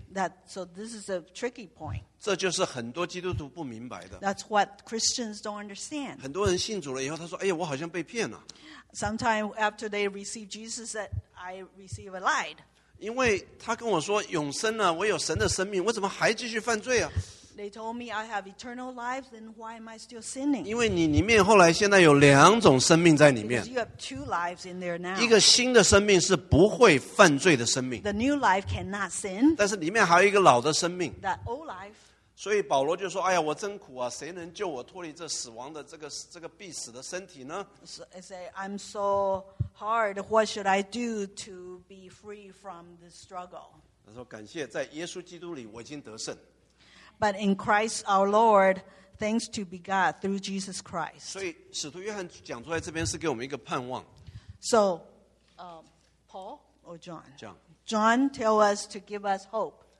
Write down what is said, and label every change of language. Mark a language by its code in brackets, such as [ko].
[en] That, so this is a tricky point. [zh] 这就是很多基督徒不明白的。 [en] That's what Christians don't understand. [zh] 很多人信主了以后, 他说, 哎呀, 我好像被骗了。 [en] Sometime after they receive Jesus, that I receive a lie. [zh] 因为他跟我说, 永生了, 我有神的生命, 我怎么还继续犯罪啊? [en] They told me I have eternal life, then why am I still sinning? [zh] 因为你里面后来现在有两种生命在里面。 [en] Because you have two lives in there now. [zh] 一个新的生命是不会犯罪的生命。 [en] The new life cannot sin. [zh] 但是里面还有一个老的生命。 [en] That old life. [zh] 所以保罗就说, 哎呀, 我真苦啊, 谁能救我脱离这死亡的这个必死的身体呢? [en] So I say, I'm so hard, what should I do to be free from this struggle? [zh] 他说, 感谢, 在耶稣基督里, 我已经得胜。 [en] But in Christ our Lord, thanks to be God through Jesus Christ. [zh] 所以使徒约翰讲出来这边是给我们一个盼望。 [en] So, Paul or John? John. John tell us to give us hope.